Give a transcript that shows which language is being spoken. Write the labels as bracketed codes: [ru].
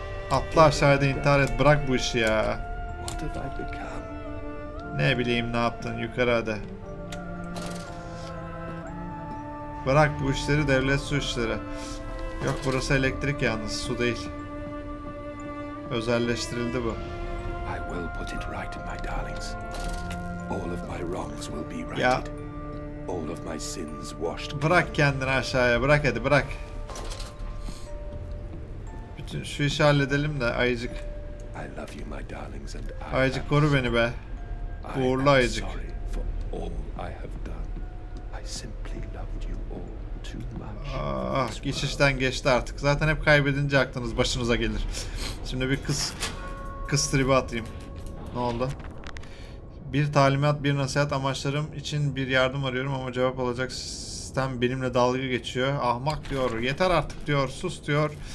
[tr] Atla aşağıda, intihar et. Bırak bu işi ya. [en] What have I become? [tr] Ne bileyim ne yaptın. Yukarı hadi. Bırak bu işleri, devlet su işleri. Yok, burası elektrik yalnız, su değil. Özelleştirildi bu. [en] I will put it right, my darlings. All of my wrongs will be righted. [tr] Ya. [en] All of my sins washed. [tr] Bırak kendini aşağıya, bırak hadi, bırak. Bütün şu işi halledelim de ayıcık. [en] I love you, my darlings, and I. [tr] Ayıcık koru beni be. Uğurlu ayıcık. [en] I am sorry for all I have done. I simply loved you all too much. [tr] Ah, geçişten geçti artık. Zaten hep kaybedince aklınız başınıza gelir. Şimdi bir kız tribi atayım. Ne oldu? Bir talimat, bir nasihat, amaçlarım için bir yardım arıyorum ama cevap alacak sistem benimle dalga geçiyor. Ahmak diyor, yeter artık diyor, sus diyor.